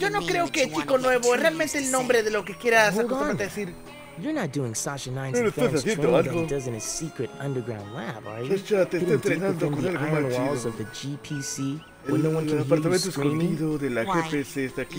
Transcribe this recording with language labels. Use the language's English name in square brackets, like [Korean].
[Spanish] yo no creo que chico nuevo es realmente el nombre de lo que quieras acostumbrarte a decir. [English] You're not doing Sasha 9's advanced training that he does in his secret underground lab, are you? Getting deep within the iron walls Of the GPC? [Spanish] El, no el apartamento escondido de la GPC está aquí.